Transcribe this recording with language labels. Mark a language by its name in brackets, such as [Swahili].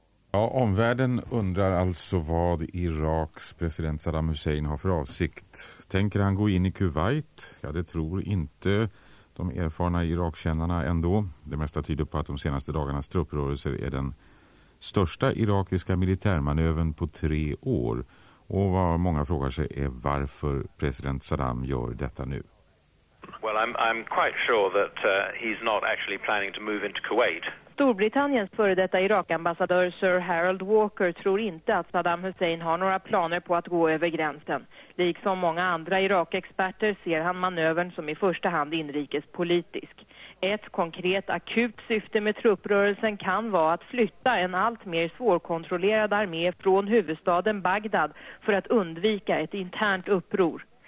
[Swedish] Ja, omvärlden undrar alltså vad Iraks president Saddam Hussein har för avsikt. Tänker han gå in i Kuwait? Ja, det tror inte de erfarna Irakkännarna ändå. Det mesta tyder på att de senaste dagarnas trupprörelser är den största irakiska militärmanövern på 3 år. Och vad många frågar sig är varför president Saddam gör detta nu. [English] Well, I'm quite sure that he's not actually planning to move into Kuwait. [Swedish] Storbritanniens före detta Irakambassadör Sir Harold Walker tror inte att Saddam Hussein har några planer på att gå över gränsen. Liksom många andra Irak-experter ser han manövern som i första hand inrikespolitisk. Ett konkret akut syfte med trupprörelsen kan vara att flytta en allt mer svårkontrollerad armé från huvudstaden Bagdad för att undvika ett internt uppror.